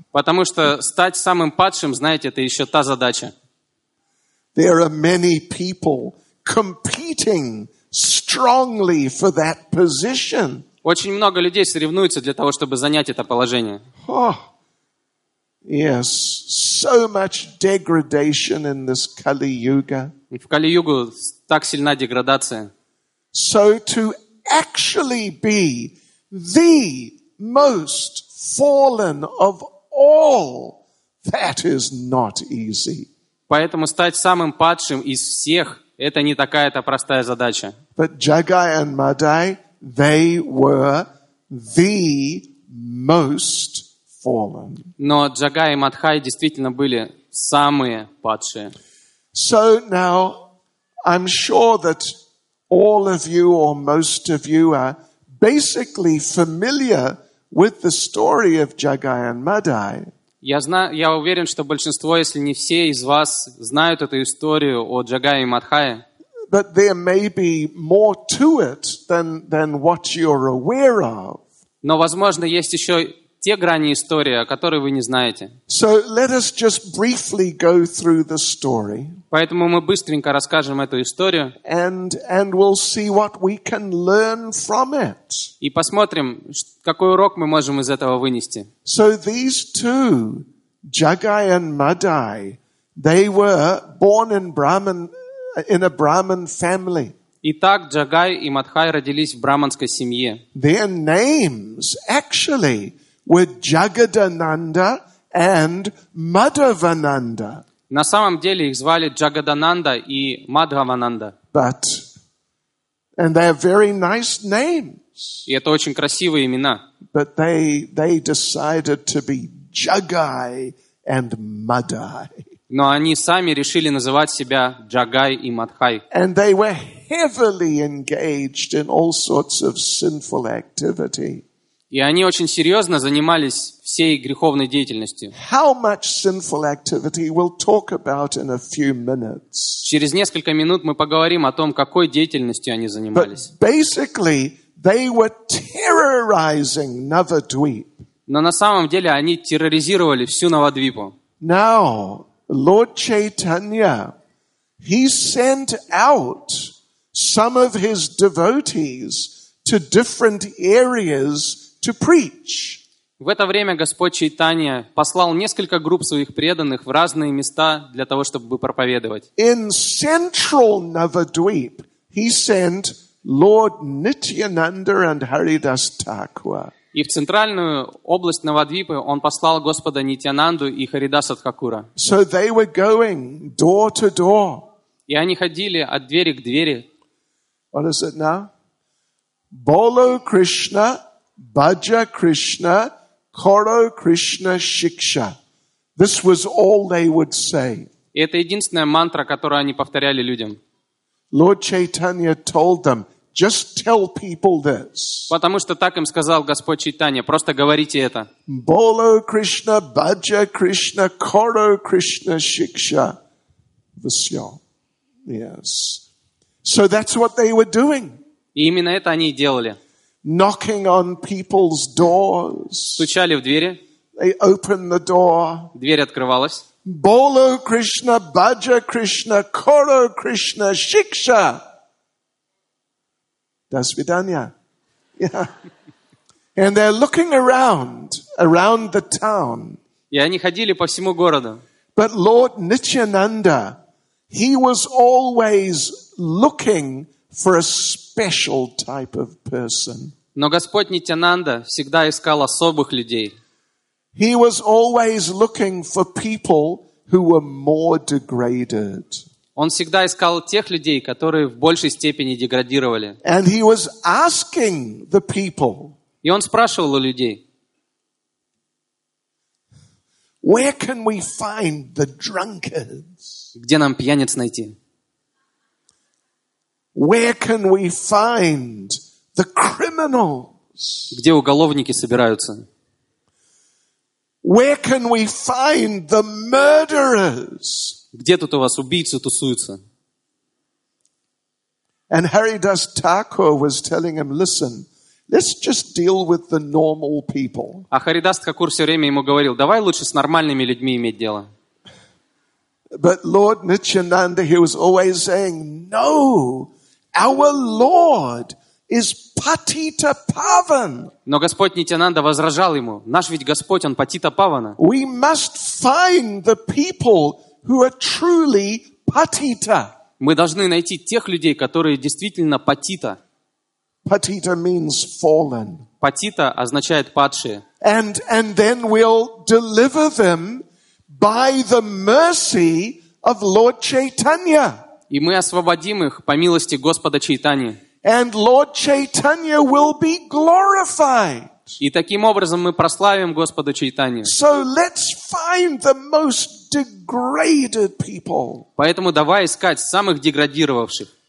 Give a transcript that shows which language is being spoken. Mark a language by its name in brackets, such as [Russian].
[Russian] Потому что стать самым падшим, знаете, это еще та задача. [English] There are many people competing strongly for that position. [Russian] Очень много людей соревнуются для того, чтобы занять это положение. [English] Oh, yes, so much degradation in this Kali-Yuga. [Russian] В Кали-Югу так сильна деградация. [English] So to actually be the most fallen of all, that is not easy. [Russian] Поэтому стать самым падшим из всех – это не такая-то простая задача. [English] But Jagai and Madai, they were the most fallen. [Russian] Но Джагай и Мадхай действительно были самые падшие. [English] So now, I'm sure that all of you or most of you are basically familiar with the story of Jagai and Madai. [Russian] Я уверен, что большинство, если не все из вас, знают эту историю о Джагае и Мадхае. [English] But there may be more to it than what you're aware of. [Russian] Но, возможно, есть еще те грани истории, о которых вы не знаете. [English] So let us just briefly go through the story. [Russian] Поэтому мы быстренько расскажем эту историю. [English] And we'll see what we can learn from it. [Russian] И посмотрим, какой урок мы можем из этого вынести. [English] So these two, Jagai and Madai, they were born in a Brahmin family. [Russian] Итак, Джагай и Мадхай родились в браманской семье. [English] Their names actually were Jagadananda and Madhavananda. [Russian] На самом деле их звали Джагадананда и Мадхавананда. [English] But and they are very nice names. [Russian] И это очень красивые имена. [English] But they decided to be Jagai and Madhai. [Russian] Но они сами решили называть себя Джагай и Мадхай. [English] And they were heavily engaged in all sorts of sinful activity. [Russian] И они очень серьезно занимались всей греховной деятельностью. [English] How much sinful activity we'll talk about in a few minutes. [Russian] Через несколько минут мы поговорим о том, какой деятельностью они занимались. [English] But basically, they were terrorizing Navadvip. [Russian] Но на самом деле они терроризировали всю Навадвипу. [English] Now, Lord Chaitanya, he sent out some of his devotees to different areas to preach. [Russian] В это время Господь Чайтанья послал несколько групп своих преданных в разные места для того, чтобы проповедовать. [English] In central Navadvip, he sent Lord Nityananda and Haridas Thakur. [Russian] И в центральную область Навадвипы он послал Господа Нитянанду и Харидаса Ткакура. [English] So they were going door to door. [Russian] И они ходили от двери к двери. [English] What is it now? [Bangla] Bolo Krishna, Bhaja Krishna, Koro Krishna Shiksha. [English] This was all they would say. [Russian] И это единственная мантра, которую они повторяли людям. [English] Lord Chaitanya told them, just tell people this. [Russian] Потому что так им сказал Господь Чайтанья. Просто говорите это. [Bangla] Bolo Krishna, Bhaja Krishna, Koro Krishna Shiksha. Visyo. Yes. [English] So that's what they were doing. [Russian] И именно это они и делали. [English] Knocking on people's doors. [Russian] Стучали в двери. [English] They opened the door. [Russian] Дверь открывалась. [Bangla] Bolo Krishna, Bhaja Krishna, Koro Krishna Shiksha. [Russian] До свидания. [English] Yeah. And they're looking around the town. [Russian] И они ходили по всему городу. [English] But Lord Nityananda, he was always looking for a special type of person. [Russian] Но Господь Нитянанда всегда искал особых людей. [English] He was always looking for people who were more degraded. [Russian] Он всегда искал тех людей, которые в большей степени деградировали. [English] And he was asking the people. [Russian] И он спрашивал у людей. [English] Where can we find the drunkards? [Russian] Где нам пьяниц найти? [English] Where can we find the criminals? [Russian] Где уголовники собираются? [English] Where can we find the murderers? [Russian] Где тут у вас убийцы тусуются? [English] And Haridas Thakur was telling him, listen, let's just deal with the normal people. [Russian] А Харидас Такур все время ему говорил, давай лучше с нормальными людьми иметь дело. [English] But Lord Nityananda, he was always saying, no, our Lord is Patita Pavan. [Russian] Но Господь Нитянанда возражал ему, наш ведь Господь, он Патита Павана. [English] We must find the people who are truly patita. [Russian] Мы должны найти тех людей, которые действительно патита. [English] Patita means fallen. [Russian] Патита означает падшие. [English] And then we'll deliver them by the mercy of Lord Chaitanya. [Russian] И мы освободим их по милости Господа Чайтаньи. [English] And Lord Chaitanya will be glorified. [Russian] И таким образом мы прославим Господа Чайтанью. [English] So let's find the most degraded people. [Russian] Поэтому давай искать самых деградировавших.